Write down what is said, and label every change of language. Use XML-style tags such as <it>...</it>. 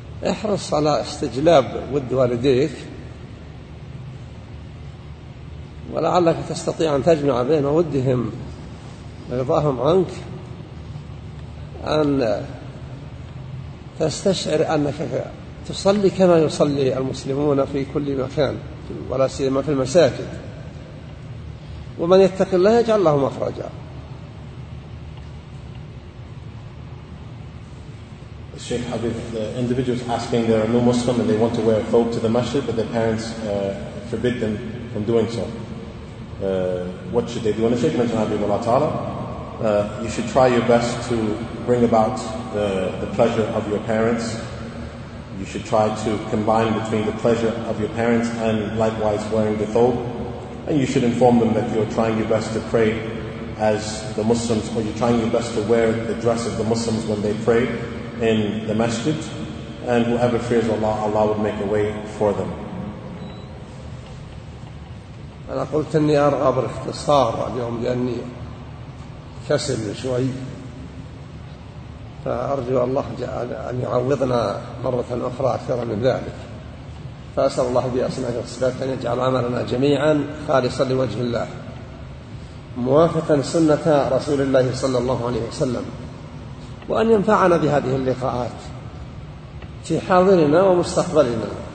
<ar>احرص على استجلاب ود والديك ولعلك تستطيع أن تجمع بين ودهم ورضاهم عنك أن تستشعر أنك تصلي كما يصلي المسلمون في كل مكان ولا سيما في المساجد، ومن يتق الله يجعل له مخرجا.</ar> <en>Sheikh Habib, individuals asking they are no Muslim and they want to wear a thobe to the masjid, but their parents forbid them from doing so. What should they do? And the Sheikh mentioned Habibullah Ta'ala, you should try your best to bring about the pleasure of your parents. You should try to combine between the pleasure of your parents and likewise wearing the thobe. And you should inform them that you're trying your best to pray as the Muslims, or you're trying your best to wear the dress of the Muslims when they pray in the masjid, and whoever fears Allah, Allah would make a way for them.</en> <ar>أنا قلت إني أرغب باختصار اليوم لأني كسل شوي، فأرجو الله أن يعوضنا مرة أخرى أكثر من ذلك، فأسأل الله بأسمائه وصفاته أن يجعل عملنا جميعا خالصا لوجه الله موافقا سنة رسول الله صلى الله عليه وسلم، وأن ينفعنا بهذه اللقاءات في حاضرنا ومستقبلنا،</ar>